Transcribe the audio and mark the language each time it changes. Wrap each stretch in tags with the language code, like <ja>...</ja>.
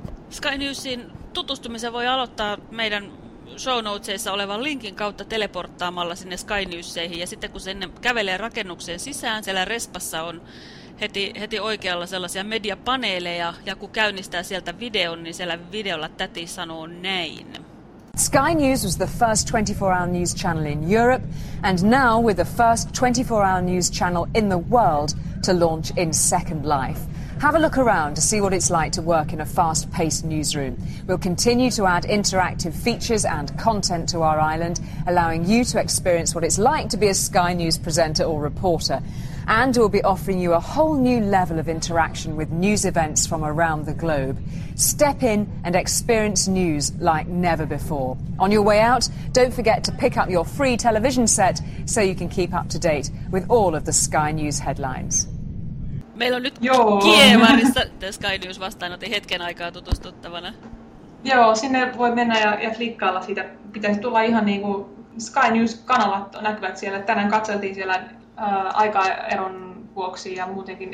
<fi>Sky Newsin tutustumisen voi aloittaa meidän show notesissa olevan linkin kautta teleporttaamalla sinne Sky Newsseihin. Ja sitten kun se ennen kävelee rakennukseen sisään, siellä respassa on heti oikealla sellaisia mediapaneeleja. Ja kun käynnistää sieltä videon, niin siellä videolla täti sanoo näin.</fi> <en>Sky News was the first 24-hour news channel in Europe, and now we're the first 24-hour news channel in the world to launch in Second Life. Have a look around to see what it's like to work in a fast-paced newsroom. We'll continue to add interactive features and content to our island, allowing you to experience what it's like to be a Sky News presenter or reporter. And we'll be offering you a whole new level of interaction with news events from around the globe. Step in and experience news like never before. On your way out, don't forget to pick up your free television set so you can keep up to date with all of the Sky News headlines.</en> <fi>Meillä on nyt, joo, Kievarissa Sky News vastaanotti hetken aikaa tutustuttavana. Joo, sinne voi mennä ja klikkailla siitä. Pitäisi tulla ihan niin kuin Sky News-kanavat näkyvät siellä. Tänään katseltiin siellä aikaeron vuoksi ja muutenkin.</fi>